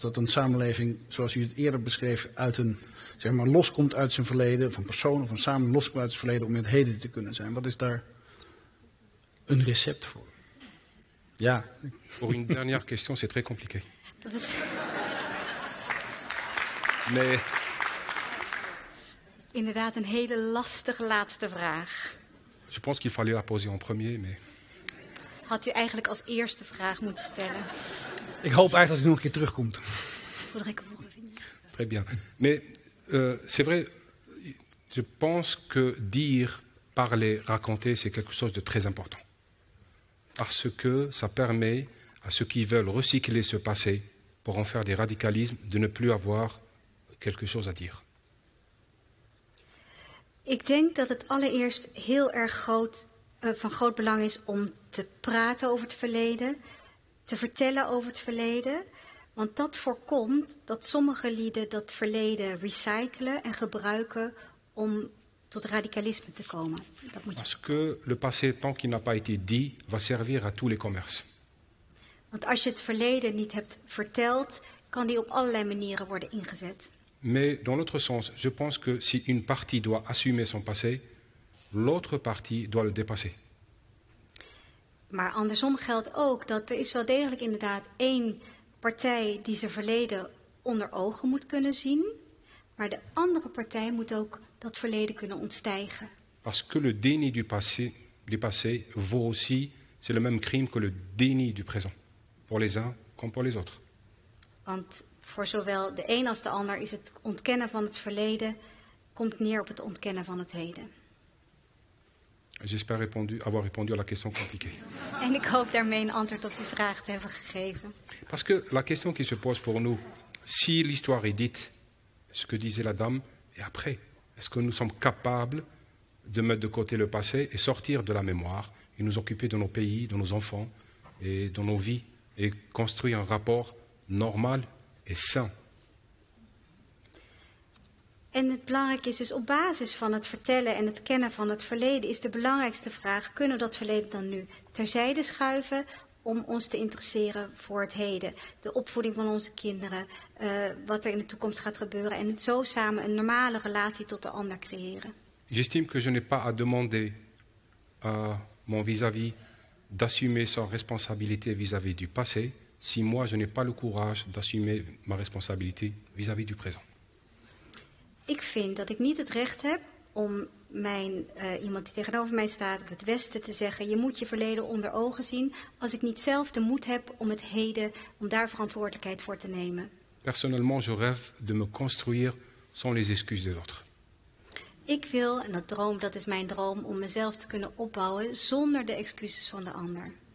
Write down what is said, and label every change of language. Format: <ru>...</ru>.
<nl>Dat een samenleving, zoals u het eerder beschreef, uit een, zeg maar, loskomt uit zijn verleden, of een persoon of een samen loskomt uit zijn verleden om in het heden te kunnen zijn? Wat is daar een recept voor? Ja. Voor een</nl> <fr>dernière question, c'est très compliqué. Mais...</fr> <nl>Inderdaad, een hele lastige laatste vraag.</nl> <fr>Je pense qu'il fallait la poser en premier, mais...</fr> <nl>Had u eigenlijk als eerste vraag moeten stellen? Ik hoop eigenlijk dat u nog een keer terugkomt.</nl> <fr>Voudrais-je vous revenir? Très bien. Mais, c'est vrai, je pense que dire, parler, raconter, c'est quelque chose de très important. Parce que ça permet à ceux qui veulent recycler ce passé pour en faire des radicalismes de ne plus avoir quelque chose à dire.</fr> <nl>Ik denk dat het allereerst heel erg groot, van groot belang is om te praten over het verleden, te vertellen over het verleden, want dat voorkomt dat sommige lieden dat verleden recyclen en gebruiken om tot radicalisme te komen. Dat moet je...</nl> <fr>Parce que le passé, tant qu'il n'a pas été dit, va servir à tous les commerces.</fr> <nl>Want als je het verleden niet hebt verteld, kan die op allerlei manieren worden ingezet.</nl> <fr>Mais dans l'autre sens, je pense que si une partie doit assumer son passé, l'autre partie doit le dépasser.</fr> <nl>Maar andersom geldt ook dat er is wel degelijk inderdaad één partij die zijn verleden onder ogen moet kunnen zien, maar de andere partij moet ook dat verleden kunnen ontstijgen.</nl> <fr>Parce que le déni du passé vaut aussi, c'est le même crime que le déni du présent. Pour les uns comme pour les autres.</fr> <nl>Want voor zowel de een als de ander is het ontkennen van het verleden komt neer op het ontkennen van het heden.</nl> <fr>J'espère répondu, avoir répondu à la question compliquée.</fr> <nl>En ik hoop daarmee een antwoord op uw vraag te hebben gegeven.</nl> <fr>Parce que la question qui se pose pour nous, si l'histoire est dite, ce que disait la dame, et après, est-ce que nous sommes capables de mettre de côté le passé et sortir de la mémoire et nous occuper de nos pays, de nos enfants et de nos vies et construire un rapport normal et sain?</fr> <nl>En het belangrijke is dus op basis van het vertellen en het kennen van het verleden is de belangrijkste vraag, kunnen we dat verleden dan nu terzijde schuiven om ons te interesseren voor het heden? De opvoeding van onze kinderen, wat er in de toekomst gaat gebeuren en het zo samen een normale relatie tot de ander creëren.</nl> <fr>J'estime que je n'ai pas à demander à mon vis-à-vis d'assumer sa responsabilité vis-à-vis du passé si moi je n'ai pas le courage d'assumer ma responsabilité vis-à-vis du présent.</fr> <nl>Ik vind dat ik niet het recht heb om iemand die tegenover mij staat, het Westen, te zeggen, je moet je verleden onder ogen zien, als ik niet zelf de moed heb om het heden, om daar verantwoordelijkheid voor te nemen.</nl> <fr>Personnellement, je rêve de me construire sans les excuses des autres.</fr> <nl>Ik wil, en dat droom, dat is mijn droom, om mezelf te kunnen opbouwen zonder de excuses van de ander.</nl>